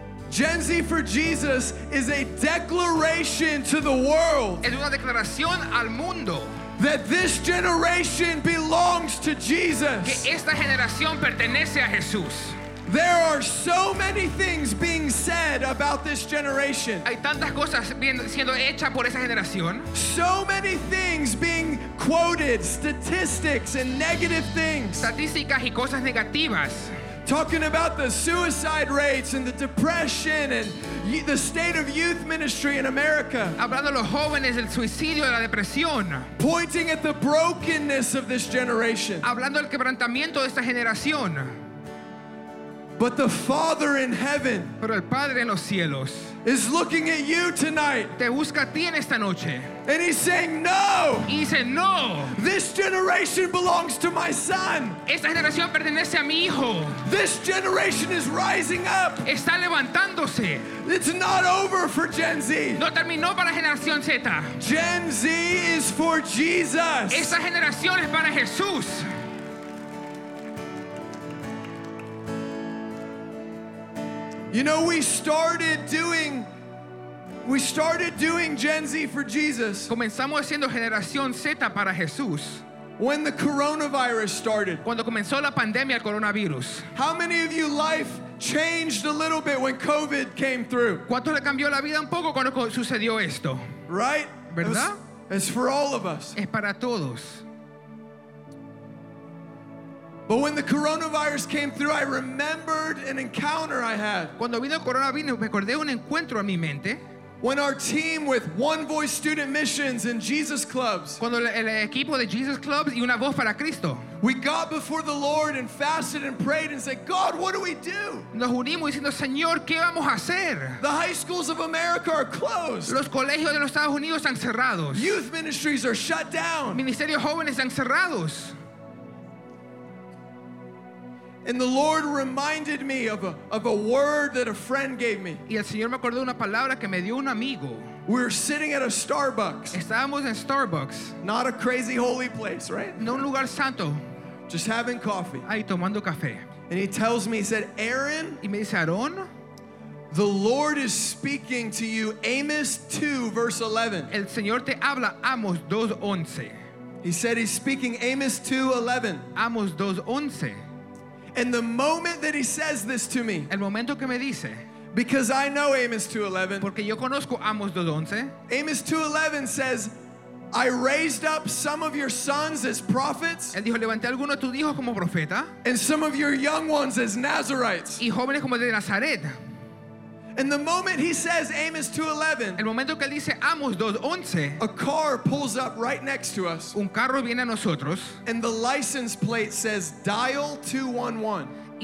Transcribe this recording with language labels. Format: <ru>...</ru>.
<en>Gen Z for Jesus is a declaration to the world.</en> <es>Es una declaración al mundo.</es> <en>That this generation belongs to Jesus.</en> <es>Que esta generación pertenece a Jesús.</es> <en>There are so many things being said about this generation.</en> <es>Hay tantas cosas siendo hechas por esa generación.</es> <en>So many things being quoted, statistics and negative things.</en> <es>Estadísticas y cosas negativas.</es> <en>Talking about the suicide rates and the depression and the state of youth ministry in America.</en> <es>Hablando de los jóvenes, el suicidio y la depresión.</es> <en>Pointing at the brokenness of this generation.</en> <es>Hablando del quebrantamiento de esta generación.</es> <en>But the Father in heaven,</en> <es>pero el Padre en los cielos,</es> <en>is looking at you tonight.</en> <es>Te busca a ti en esta noche.</es> <en>And he's saying no.</en> <es>Y dice no.</es> <en>This generation belongs to my son.</en> <es>Esta generación pertenece a mi hijo.</es> <en>This generation is rising up.</en> <es>Está levantándose.</es> <en>It's not over for Gen Z.</en> <es>No terminó para Generación Z.</es> <en>Gen Z is for Jesus.</en> <es>Esta generación es para Jesús.</es> <en>You know, we started doing Gen Z for Jesus.</en> <es>Comenzamos haciendo Generación Z para Jesús.</es> <en>When the coronavirus started.</en> <es>Cuando comenzó la pandemia, el coronavirus.</es> <en>How many of you life changed a little bit when COVID came through?</en> <es>¿Cuánto le cambió la vida un poco cuando sucedió esto?</es> <en>Right?</en> <es>¿Verdad?</es> <en>It's for all of us.</en> <es>Es para todos.</es> <en>But when the coronavirus came through, I remembered an encounter I had.</en> <es>Cuando vino el coronavirus, me acordé un encuentro en mi mente.</es> <en>When our team with One Voice Student Missions and Jesus Clubs.</en> <es>Cuando el equipo de Jesus Clubs y Una Voz para Cristo.</es> <en>We got before the Lord and fasted and prayed and said, God, what do we do?</en> <es>Nos unimos diciendo, Señor, ¿qué vamos a hacer?</es> <en>The high schools of America are closed.</en> <es>Los colegios de los Estados Unidos están cerrados.</es> <en>Youth ministries are shut down.</en> <es>Ministerios jóvenes están cerrados.</es> <en>And the Lord reminded me of a word that a friend gave me.</en> <es>Y el Señor me acordó una palabra que me dio un amigo.</es> <en>We were sitting at a Starbucks.</en> <es>Estábamos en Starbucks.</es> <en>Not a crazy holy place, right?</en> <es>No un lugar santo.</es> <en>Just having coffee.</en> <es>Ahí tomando café.</es> <en>And he tells me, he said, Aaron.</en> <es>Y me dice, Aaron.</es> <en>The Lord is speaking to you, Amos 2, verse 11.</en> <es>El Señor te habla, Amos 2:11.</es> <en>He said he's speaking Amos 2:11.</en> <es>Amos 2:11.</es> <en>And the moment that he says this to me,</en> <es>el momento que me dice,</es> <en>because I know Amos 2:11,</en> <es>porque yo conozco Amos 2:11,</es> <en>Amos 2:11 says, I raised up some of your sons as prophets,</en> <es>él dijo, levanté alguno de tus hijos como profeta,</es> <en>and some of your young ones as Nazarites,</en> <es>y jóvenes como de Nazaret.</es> <en>And the moment he says Amos 2:11,</en> <es>el momento que él dice Amos 2:11,</es> <en>a car pulls up right next to us.</en> <es>Un carro viene a nosotros.</es> <en>And the license plate says dial 211.</en>